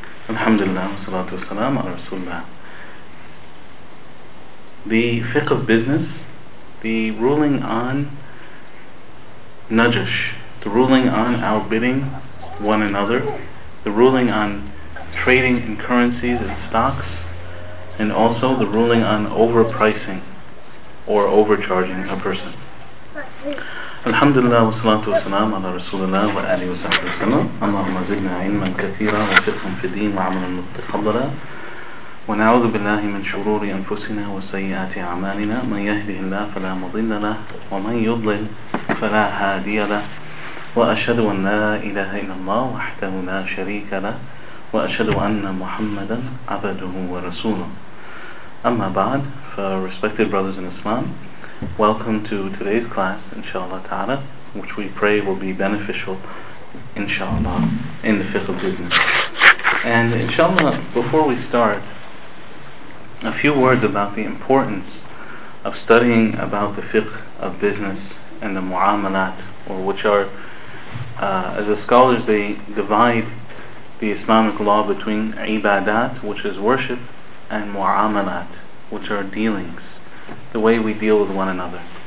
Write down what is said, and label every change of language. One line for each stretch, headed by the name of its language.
Arabic: الحمد لله والصلاة والسلام على رسول الله.
English: The fiqh of business, the ruling on najash, the ruling on outbidding one another, the ruling on trading in currencies and stocks, and also the ruling on overpricing or overcharging a person.
Arabic: الحمد لله والصلاة والسلام على رسول الله وعلى آله وصحبه وسلم. اللهم زدنا علما كثيرا وفقها في الدين وعملا متقبلا. ونعوذ بالله من شرور أنفسنا وسيئات أعمالنا. من يهده الله فلا مضل له ومن يضلل فلا هادي له. وأشهد أن لا إله إلا الله وحده لا شريك له. وأشهد أن محمدا عبده ورسوله. أما بعد,
English: for respected brothers in Islam, welcome to today's class, inshallah ta'ala, which we pray will be beneficial, inshallah, in the fiqh of business. And inshallah, before we start, a few words about the importance of studying about the fiqh of business and the mu'amalat, or which are, as the scholars, they divide the Islamic law between ibadat, which is worship, and mu'amalat, which are dealings, the way we deal with one another.